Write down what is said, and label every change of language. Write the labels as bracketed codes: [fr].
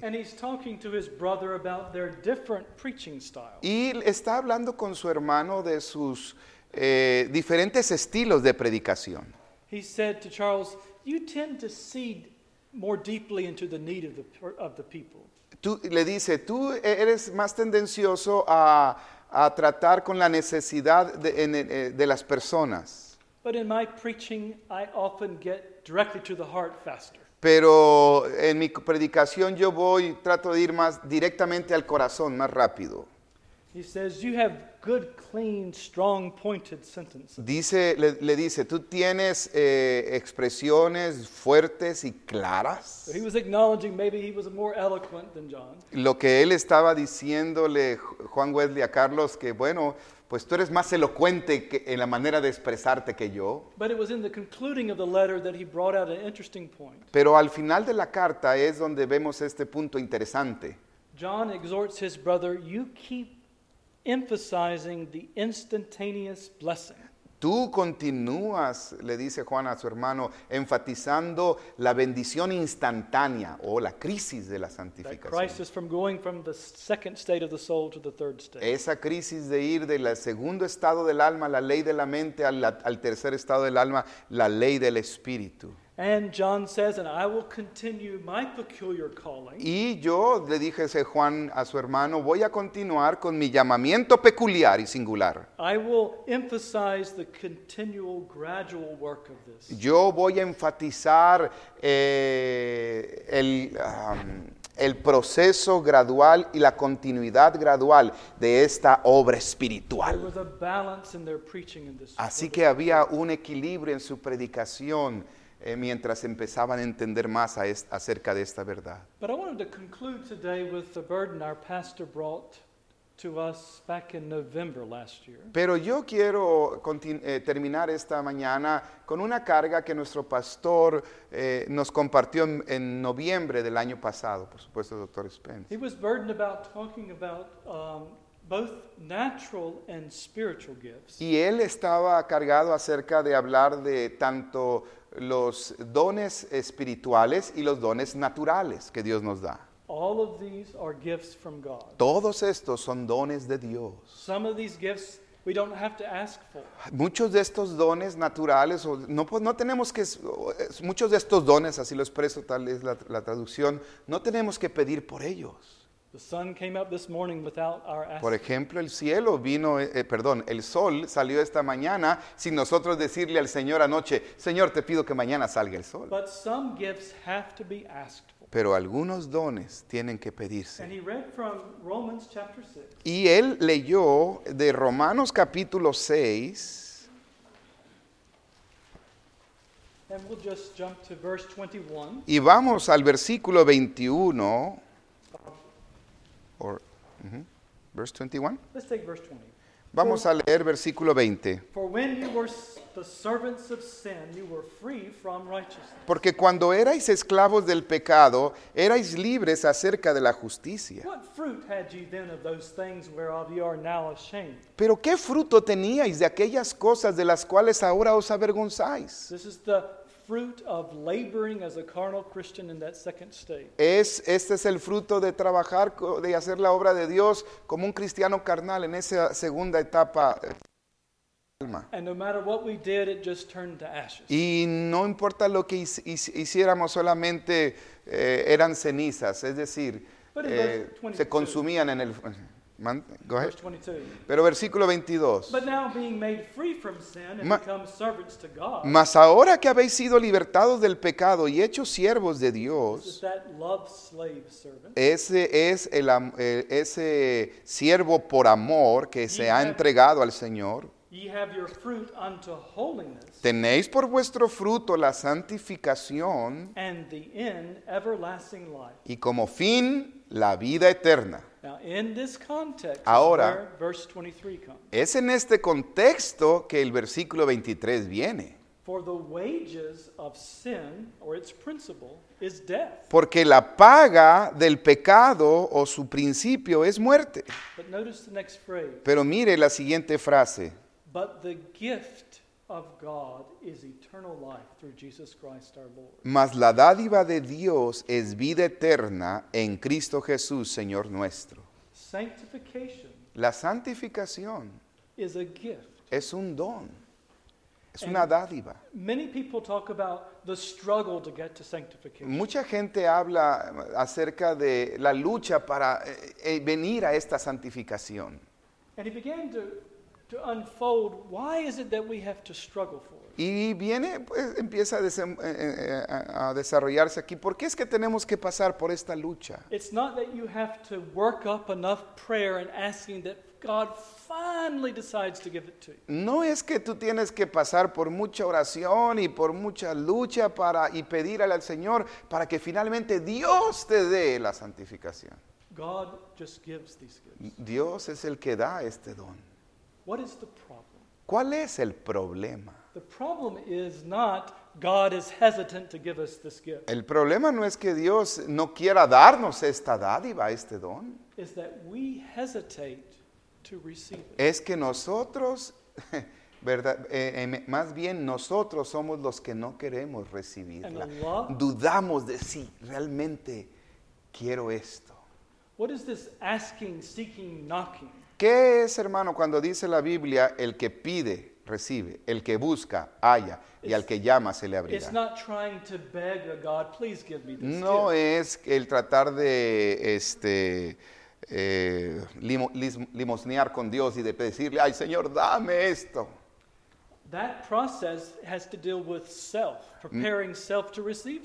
[en] And he's talking to his brother about their different preaching styles. [es] Y está hablando con su hermano de sus diferentes estilos de predicación. [en] He said to Charles, "You tend to see more deeply into the need of the people." [es] Tú, le dice, tú eres más tendencioso a tratar con la necesidad de las personas. [en] But in my preaching, I often get directly to the heart faster. [es] Pero en mi predicación yo voy, trato de ir más directamente al corazón, más rápido. [en] He says, you have good, clean, strong, pointed sentences. [es] Le dice, tú tienes expresiones fuertes y claras. [en] So he was acknowledging maybe he was more eloquent than John. [es] Lo que él estaba diciéndole Juan Wesley a Carlos, que bueno, pues tú eres más elocuente que, en la manera de expresarte que yo. [en] But it was in the concluding of the letter that he brought out an interesting point. [es] Pero al final de la carta es donde vemos este punto interesante. [en] John exhorts his brother, you keep emphasizing the instantaneous blessing. [es] Tú continúas, le dice Juan a su hermano, enfatizando la bendición instantánea o la crisis de la santificación. [en] That crisis from going from the second state of the soul to the third state. [es] Esa crisis de ir del segundo estado del alma, la ley de la mente, al tercer estado del alma, la ley del espíritu. [en] And John says, and I will continue my peculiar calling. [es] Y yo le dije a Juan a su hermano, voy a continuar con mi llamamiento peculiar y singular. [en] I will emphasize the continual, gradual work of this. [es] Yo voy a enfatizar el proceso gradual y la continuidad gradual de esta obra espiritual. [en] There was a balance in their preaching in this. [es] Así que había un equilibrio en su predicación. Mientras empezaban a entender más acerca de esta verdad. [en] But I wanted to conclude today with the burden our pastor brought to us back in November last year. [es] Pero yo quiero terminar esta mañana con una carga que nuestro pastor nos compartió en noviembre del año pasado, por supuesto, Dr. Spence. [en] He was burdened about talking about both natural and spiritual gifts. [es] Y él estaba cargado acerca de hablar de tanto los dones espirituales y los dones naturales que Dios nos da. [en] All of these are gifts from God. [es] Todos estos son dones de Dios. [en] Some of these gifts we don't have to ask for. [es] Muchos de estos dones naturales, no tenemos que, muchos de estos dones, así lo expreso, tal es la traducción, no tenemos que pedir por ellos. [en] The sun came up this morning without our asking. [es] Por ejemplo, el sol salió esta mañana sin nosotros decirle al Señor anoche, Señor, te pido que mañana salga el sol. [en] But some gifts have to be asked for. [es] Pero algunos dones tienen que pedirse. [en] And he read from Romans chapter 6. [es] Y él leyó de Romanos capítulo 6. [en] And we'll just jump to verse 21. [es] Y vamos al versículo 21. [en] Verse 21. Let's take verse 20. [es] Vamos a leer versículo 20. [en] For when you were the servants of sin, you were free from righteousness. [es] Porque cuando erais esclavos del pecado, erais libres acerca de la justicia. [en] What fruit had you then of those things whereof you are now ashamed? [es] Pero ¿qué fruto teníais de aquellas cosas de las cuales ahora os avergonzáis? [en] This is the fruit of laboring as a carnal Christian in that second state. [es] Este es el fruto de trabajar, de hacer la obra de Dios como un cristiano carnal en esa segunda etapa. [en] And no matter what we did, it just turned to ashes. [es] Y no importa lo que hiciéramos, solamente eran cenizas, es decir, se consumían en el. [en] Go ahead. Verse 22. [es] Pero versículo 22. [en] But now being made free from sin and become servants to God. [es] Mas ahora que habéis sido libertados del pecado y hechos siervos de Dios. [en] Is that love slave servant? [es] Ese es ese siervo por amor que se ha entregado al Señor. [en] Ye have your fruit unto holiness. [es] Tenéis por vuestro fruto la santificación. [en] And the end, everlasting life. [es] Y como fin, la vida eterna. [en] Now, in this context, [es] ahora, [en] where verse 23 comes. [es] Es en este contexto que el versículo 23 viene. [en] For the wages of sin, or its principle, is death. [es] Porque la paga del pecado o su principio es muerte. [en] But notice the next phrase. [es] Pero mire la siguiente frase. [en] But the gift of God is eternal life through Jesus Christ our Lord. [es] Mas la dádiva de Dios es vida eterna en Cristo Jesús, Señor nuestro. [en] Sanctification. [es] La santificación [en] is a gift. [es] Es un don. Es una dádiva. [en] Many people talk about the struggle to get to sanctification. [es] Mucha gente habla acerca de la lucha para venir a esta santificación. [en] And he began to unfold, why is it that we have to struggle for it? [es] Y viene, pues, empieza a desarrollarse aquí. ¿Por qué es que tenemos que pasar por esta lucha? [en] It's not that you have to work up enough prayer and asking that God finally decides to give it to you. [es] No es que tú tienes que pasar por mucha oración y por mucha lucha para y pedirle al Señor para que finalmente Dios te dé la santificación. [en] God just gives these gifts. [es] Dios es el que da este don. [en] What is the problem? [es] ¿Cuál es el problema? [en] The problem is not God is hesitant to give us this gift. [es] El problema no es que Dios no quiera darnos esta dádiva, este don. [en] Is that we hesitate to receive it. [es] Es que nosotros, ¿verdad? Más bien nosotros somos los que no queremos recibirla. Dudamos de si realmente quiero esto. [en] What is this asking, seeking, knocking? [es] ¿Qué es, hermano, cuando dice la Biblia, el que pide, recibe. El que busca, halla. Y al que llama, se le abrirá. [en] It's not trying to beg a God, please give me this [es] no [en] gift. [es] Es el tratar de limosnear con Dios y de decirle, ay, Señor, dame esto. [en] That process has to deal with self, preparing self to receive.